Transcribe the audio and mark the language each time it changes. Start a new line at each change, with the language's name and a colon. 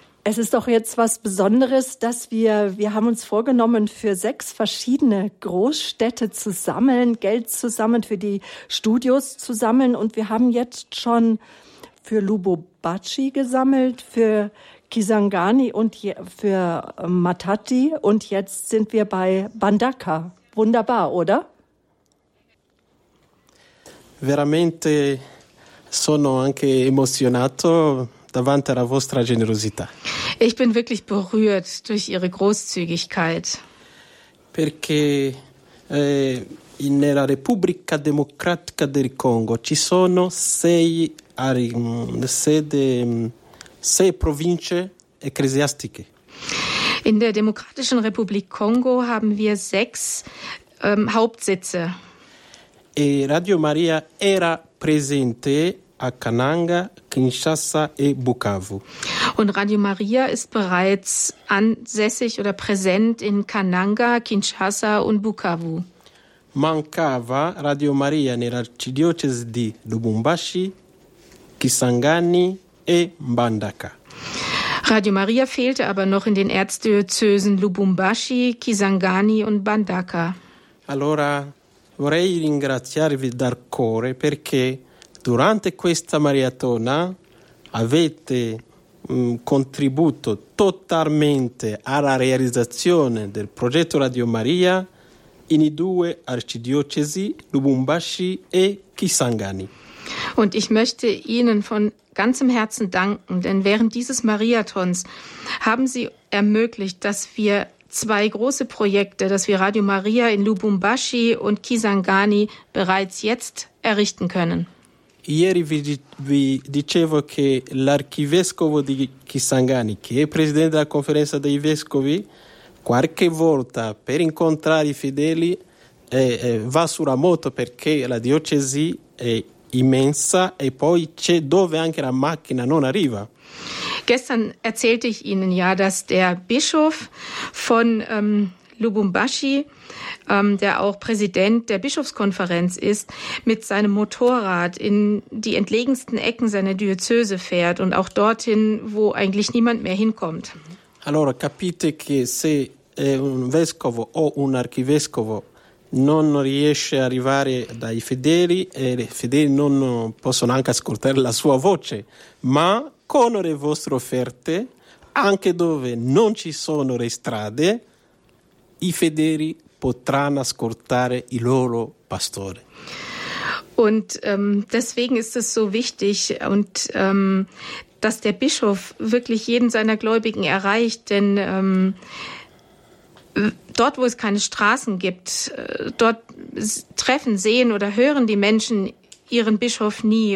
German: Es ist doch jetzt was Besonderes, dass wir haben uns vorgenommen, für 6 verschiedene Großstädte zu sammeln, Geld zu sammeln, für die Studios zu sammeln. Und wir haben jetzt schon für Lubumbashi gesammelt, für Kisangani und für Matadi. Und jetzt sind wir bei Mbandaka. Wunderbar, oder?
Italian: Veramente sono anche emozionato davanti alla vostra generosità.
German: Ich bin wirklich berührt durch Ihre Großzügigkeit.
Italian: Perché nella Repubblica Democratica del Congo ci sono 6 6 Provinzen ecclesiastiche.
German: In der Demokratischen Republik Kongo haben wir 6 Hauptsitze.
Italian: E Radio Maria era presente a Kananga, Kinshasa e Bukavu.
German: Und Radio Maria ist bereits ansässig oder präsent in Kananga, Kinshasa und Bukavu.
Italian: Mancava Radio Maria nell'arcidiocesi di Lubumbashi, Kisangani e Mbandaka.
German: Radio Maria fehlte aber noch in den Erzdiözesen Lubumbashi, Kisangani und Mbandaka.
Italian: Allora vorrei ringraziarvi dal cuore perché durante questa maratona avete contribuito totalmente alla realizzazione del progetto Radio Maria in i 2 arcidiocesi Lubumbashi e Kisangani.
German: Und ich möchte Ihnen von ganzem Herzen danken, denn während dieses Mariathons haben Sie ermöglicht, dass wir zwei große Projekte, dass wir Radio Maria in Lubumbashi und Kisangani bereits jetzt errichten können.
Italian: Ieri vi dicevo che l'Arcivescovo di Kisangani, che è presidente della Conferenza dei Vescovi, qualche volta per incontrare i fedeli va sulla moto perché la diocesi è immensa e poi c'è dove anche la macchina non arriva.
German: Gestern erzählte ich Ihnen ja, dass der Bischof von Lubumbashi, der auch Präsident der Bischofskonferenz ist, mit seinem Motorrad in die entlegensten Ecken seiner Diözese fährt und auch dorthin, wo eigentlich niemand mehr hinkommt.
Italian: Allora, capite che se un vescovo o un archivescovo non riesce a arrivare dai fedeli, e i fedeli non possono anche ascoltare la sua voce, ma con le vostre offerte, anche dove non ci sono le strade, i fedeli potranno ascoltare il loro pastore.
German: Und deswegen ist es so wichtig, und dass der Bischof wirklich jeden seiner Gläubigen erreicht, denn dort, wo es keine Straßen gibt, dort treffen, sehen oder hören die Menschen ihren Bischof nie.